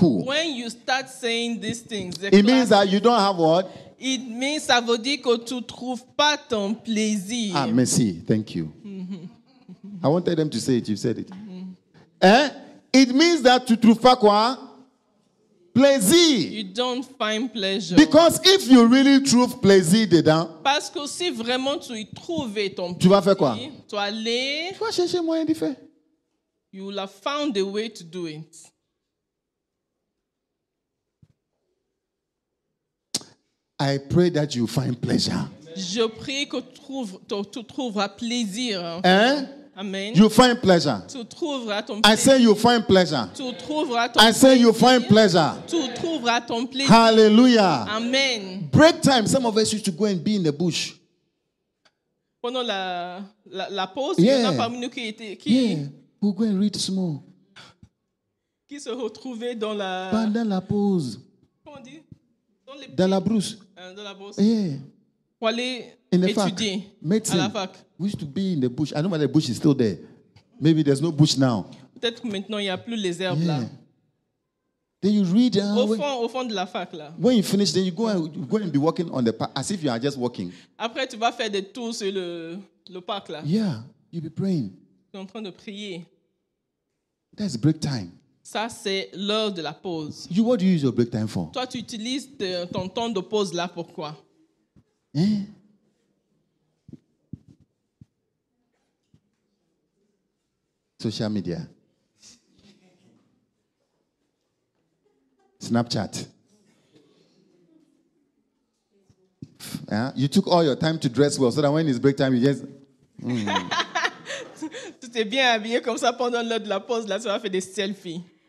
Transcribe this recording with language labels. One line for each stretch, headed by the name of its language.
English: When you start saying these things, the it classes. Means that you don't have what? It means
French: ça veut dire que tu trouves pas ton plaisir.
English: Ah, merci. Thank you. I wanted them to say it. You said it. It means that
French: tu trouves pas quoi? Plaisir.
English: You don't find pleasure. Because if you really
French: trouve plaisir dedans, parce que si vraiment tu y trouves ton plaisir, tu vas faire quoi? Tu vas aller. Tu vas chercher moyen d'y faire.
English: You will have found a way to do it. I pray that you find pleasure.
French: Je prie que tu trouveras plaisir. Hein?
English: Amen. You find pleasure.
French: Tu trouveras ton plaisir.
English: I say you find pleasure.
French: Tu trouveras ton plaisir.
English: I say you find pleasure.
French: Tu trouveras ton plaisir.
English: Hallelujah. Amen. Break time. Some of us used to go and be in the bush.
French: Pendant la pause, il y en a parmi nous qui
English: yeah. We'll go and read small.
French: Qui se retrouvait dans la pendant la pause. Comment on dit? Dans la brousse. Yeah. Pour aller étudier fac. Médecine. À la fac.
English: We used to be in the bush. I know the bush is still there. Maybe there's no bush now.
French: Peut-être que maintenant il n'y a plus les herbes là.
English: Then you read.
French: Au fond de la fac là.
English: When you finish, then you go and be walking on the park as if you are just walking.
French: Après tu vas faire des tours sur le parc là.
English: Yeah, you'll be praying.
French: Tu es en train de prier.
English: That's break time.
French: Ça, c'est l'heure de la pause.
English: You, what do you use your break time for?
French: Toi, tu utilises ton temps de pause là, pourquoi? Hein?
English: Social media. Snapchat. Yeah? You took all your time to dress well, so that when it's break time, you just...
French: Tu t'es bien habillé comme ça pendant l'heure de la pause, là, tu vas faire des selfies.